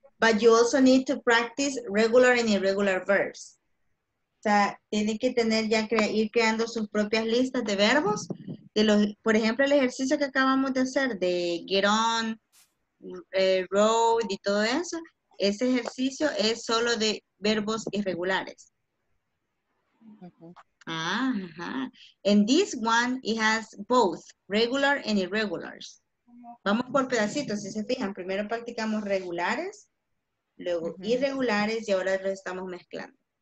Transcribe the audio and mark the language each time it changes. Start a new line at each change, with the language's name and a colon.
English: But you also need to practice regular and irregular verbs.
Spanish: O sea, tiene que tener ya ir creando sus propias listas de verbos. De los, por ejemplo, el ejercicio que acabamos de hacer de get on, road y todo eso. Ese ejercicio es solo de verbos irregulares. Uh-huh. Uh-huh.
English: And this one, it has both regular and irregulars.
Spanish: Vamos por pedacitos, si se fijan. Primero practicamos regulares, luego irregulares y ahora los estamos mezclando.